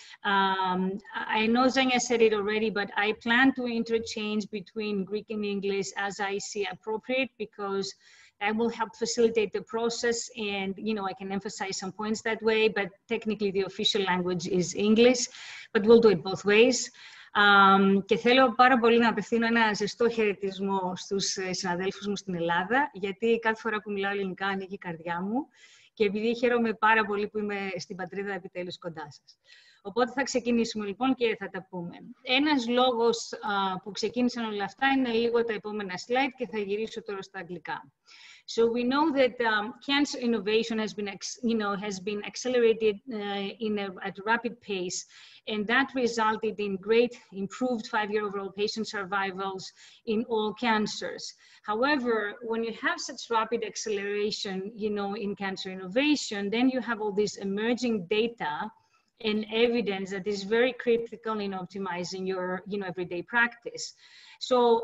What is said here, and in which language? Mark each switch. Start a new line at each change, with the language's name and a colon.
English: I know Zenia said it already, but I plan to interchange between Greek and English as I see appropriate, because that will help facilitate the process, and you know, I can emphasize some points that way, but technically the official language is English, but we'll do it both ways.
Greek: Και θέλω πάρα πολύ να απευθύνω ένα ζεστό χαιρετισμό στους συναδέλφους μου στην Ελλάδα, γιατί κάθε φορά που μιλάω ελληνικά ανοίγει η καρδιά μου και επειδή χαίρομαι πάρα πολύ που είμαι στην πατρίδα επιτέλους κοντά σας. Οπότε θα ξεκινήσουμε λοιπόν και θα τα πούμε. Ένας λόγος που ξεκίνησαν όλα αυτά είναι λίγο τα επόμενα slide και θα γυρίσω τώρα στα αγγλικά.
English: So we know that cancer innovation has been, has been accelerated at a rapid pace, and that resulted in great improved five-year overall patient survivals in all cancers. However, when you have such rapid acceleration, you know, in cancer innovation, then you have all this emerging data and evidence that is very critical in optimizing your, you know, everyday practice. So.